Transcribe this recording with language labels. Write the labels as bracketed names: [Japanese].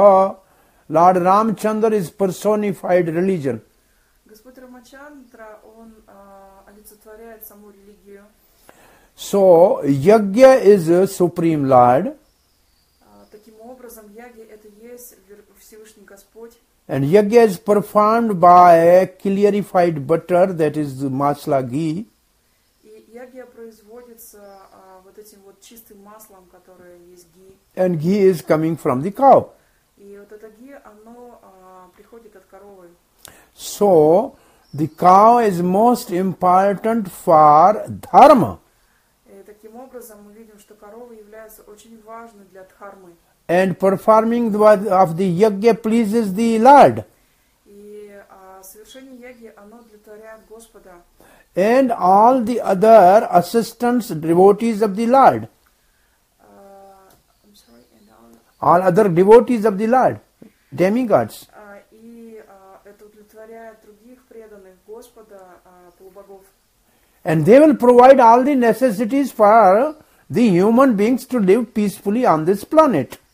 [English] Lord Ramchandra is personified religion. [Russian] Господь Рамачандра, он олицетворяет саму религию. [English] So, Yagya is a Supreme Lord. [Russian] Таким образом, Ягья это есть Всевышний Господь. [English] And Yagya is performed by clarified butter, that is masala ghee. [Russian] Ягья производится вот этим вот чистым маслом, которое есть ги. [English] And ghee is coming from the cow. [Russian] И вот это ги, оно приходит от коровы. [English] So, the cow is most important for dharma. [Russian] И таким образом мы видим, что корова является очень важной для дхармы. [English] And performing of the yagya pleases the Lord. [Russian] И совершение яги, оно удовлетворяет Господа. [English] And all the other assistants, devotees of the Lord. I'm sorry, and all other devotees of the Lord, demigods. [Russian] И это удовлетворяет других преданных Господа, полубогов. [English] And they will provide all the necessities for the human beings to live peacefully on this planet.